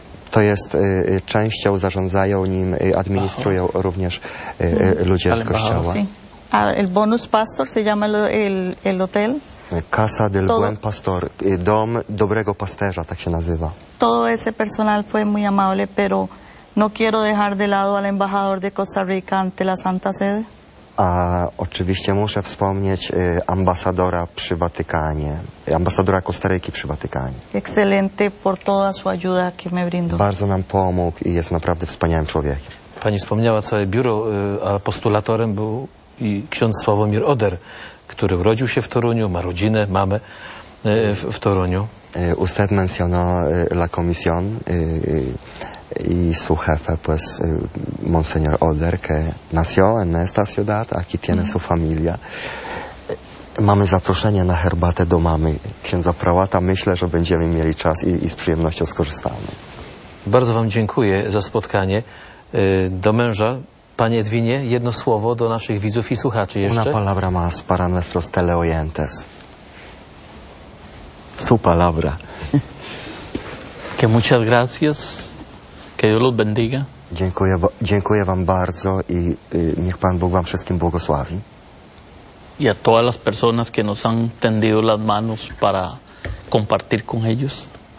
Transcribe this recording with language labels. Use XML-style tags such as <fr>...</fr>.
<pl>To jest częścią, zarządzają nim, administrują również ludzie z kościoła.</pl> <es>El bonus pastor se llama el hotel. Casa del buen pastor,</es> <pl>dom dobrego pasterza, tak się nazywa.</pl> <es>Todo ese personal fue muy amable, pero no quiero dejar de lado al embajador de Costa Rica ante la Santa Sede.</es> <pl>A oczywiście muszę wspomnieć ambasadora przy Watykanie, ambasadora Kostaryki przy Watykanie.</pl> <es>Excelente por toda su ayuda que me brindó.</es> <pl>Bardzo nam pomógł i jest naprawdę wspaniałym człowiekiem. Pani wspomniała całe biuro, a postulatorem był i ksiądz Sławomir Oder, który urodził się w Toruniu, ma rodzinę, mamę w Toruniu.</pl> <es>Usted mencionó la comisión y su jefe, pues, Monseñor Oder, que nació en esta ciudad, aquí tiene su familia.</es> <pl>Mamy zaproszenie na herbatę do mamy księdza prałata. Myślę, że będziemy mieli czas i z przyjemnością skorzystamy. Bardzo wam dziękuję za spotkanie. do męża. Panie Edwinie, jedno słowo do naszych widzów i słuchaczy jeszcze.</pl> <es>Una palabra más para nuestros teleoyentes. Su palabra. Que muchas gracias. Que Dios los bendiga.</es> <pl>Dziękuję wam bardzo i niech Pan Bóg wam wszystkim błogosławi.</pl> <es>Y a todas las personas que nos han tendido las manos para compartir con ellos.</es>